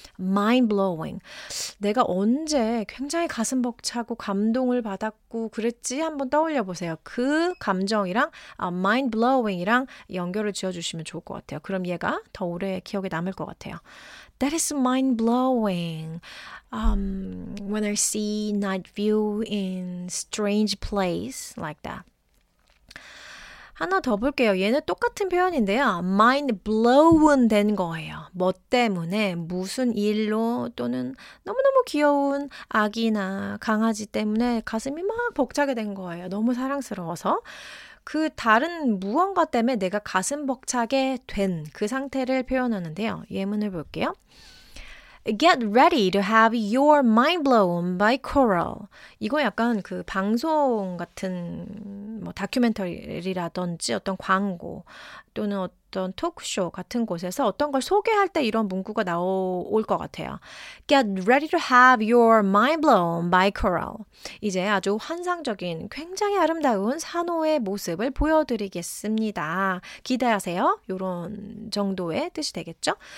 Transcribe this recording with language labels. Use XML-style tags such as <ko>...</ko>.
<en>Mind blowing.</en> <ko>내가 언제 굉장히 가슴 벅차고 감동을 받았고 그랬지 한번 떠올려 보세요. 그 감정이랑 mind blowing이랑 연결을 지어 주시면 좋을 것 같아요. 그럼 얘가 더 오래 기억에 남을 것 같아요.</ko> <en>That is mind blowing. When I see night view in strange place like that.</en> <ko>하나 더 볼게요. 얘는 똑같은 표현인데요. Mind blown 된 거예요. 뭐 때문에 무슨 일로 또는 너무너무 귀여운 아기나 강아지 때문에 가슴이 막 벅차게 된 거예요. 너무 사랑스러워서. 그 다른 무언가 때문에 내가 가슴 벅차게 된 그 상태를 표현하는데요. 예문을 볼게요.</ko> <en>Get ready to have your mind blown by Coral.</en> <ko>이거 약간 그 방송 같은 뭐 다큐멘터리라든지 어떤 광고 또는 어떤 토크쇼 같은 곳에서 어떤 걸 소개할 때 이런 문구가 나올 것 같아요.</ko> <en>Get ready to have your mind blown by Coral.</en> <ko>이제 아주 환상적인 굉장히 아름다운 산호의 모습을 보여드리겠습니다. 기대하세요. 이런 정도의 뜻이 되겠죠?</ko>